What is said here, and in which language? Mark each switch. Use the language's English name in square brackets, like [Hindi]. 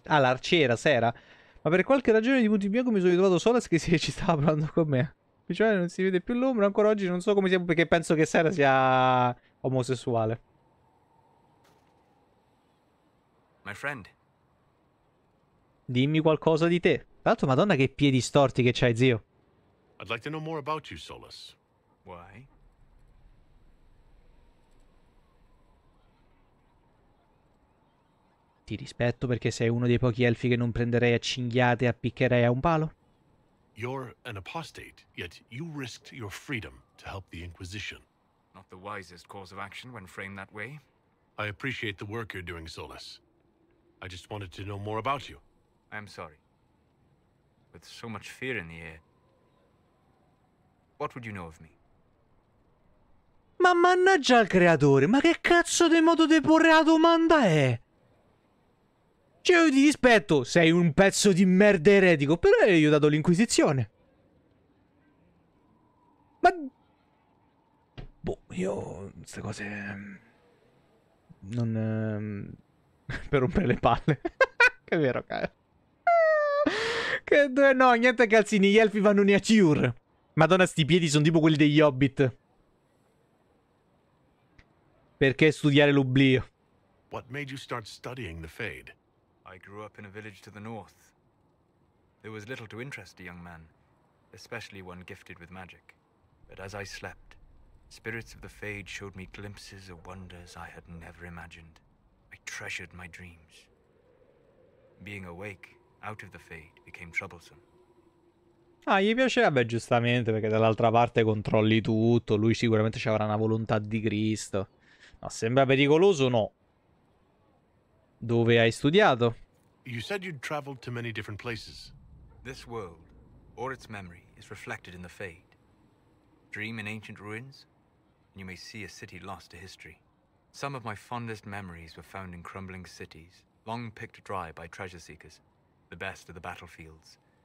[Italian] Ah, l'arciera, Sera. Ma per qualche ragione di punti bianco mi sono ritrovato Solas che ci stava parlando con me. Cioè non si vede più l'ombra, ancora oggi non so come sia, perché penso che Sera sia omosessuale. [English] My friend. [Italian] Dimmi qualcosa di te. Tanto madonna che piedi storti che c'hai, zio. [English] I'd like to know more about you, Solas. Why? [Italian] Ti rispetto perché sei uno dei pochi elfi che non prenderei a cinghiate e a piccherei a un palo. [English] You're an apostate, yet you risked your freedom to help the Inquisition. Not the wisest course of action when framed that way. I appreciate the work you're doing, Solas. I just wanted to know more about you. I'm sorry. With so much fear in the air, what would you know of me? [Italian] Ma mannaggia al creatore, ma che cazzo di modo di porre la domanda è? Cioè, io ti rispetto, sei un pezzo di merda eretico, però hai aiutato l'Inquisizione. Ma... Boh, io... queste cose... non... per rompere le palle. Che vero, cara. Che due, no, niente calzini, gli elfi vanno nei Achiur. Madonna, sti piedi sono tipo quelli degli Hobbit. Perché studiare l'oblio? [English] What made you start studying the Fade? I grew up in a village to the north. There was little to interest a young man, especially one gifted with magic. But as I slept, spirits of the Fade showed me glimpses of wonders I had never imagined. I treasured my dreams. Being awake out of the Fade became troublesome. [Italian] Ah, gli piacerebbe giustamente, perché dall'altra parte controlli tutto, lui sicuramente ci avrà una volontà di Cristo. Ma sembra pericoloso, no? Dove hai studiato? [English] You said you'd traveled to many different places. This world, or its memory, is reflected in the Fade. Dream in ancient ruins, and you may see a city lost to history. Some of my fondest memories were found in crumbling cities, long picked dry by treasure seekers, the best of the battlefields.